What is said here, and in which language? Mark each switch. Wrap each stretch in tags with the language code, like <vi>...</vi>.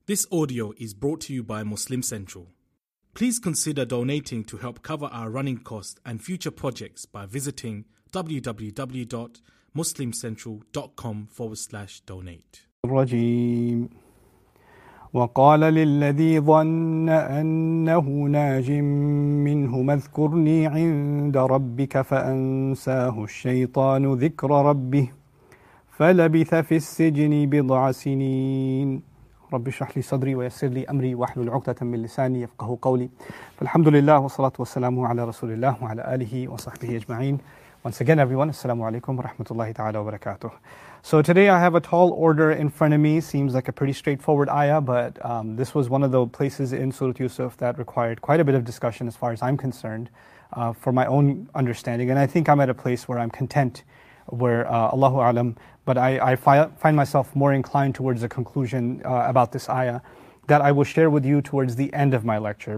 <en>This audio is brought to you by Muslim Central. Please consider donating to help cover our running costs and future projects by visiting www.muslimcentral.com/donate.</en> <ar>الرجيم. وقال للذي ظن أنه ناج منه اذكرني عند ربك فأنساه الشيطان ذكر ربه فلبث في السجن بضع سنين. رب اشرح لي صدري ويسر لي امري واحلل عقدة من لساني يفقهوا قولي. فالحمد لله والصلاة والسلام على رسول الله وعلى آله وصحبه اجمعين.</ar> <en>Once again, everyone, assalamu alaikum wa rahmatullahi ta'ala wa barakatuh. So today I have a tall order in front of me. Seems like a pretty straightforward ayah, but this was one of the places in Surah Yusuf that required quite a bit of discussion as far as I'm concerned, for my own understanding. And I think I'm at a place where I'm content, where Allahu alam, but I find myself more inclined towards a conclusion about this ayah that I will share with you towards the end of my lecture.</en>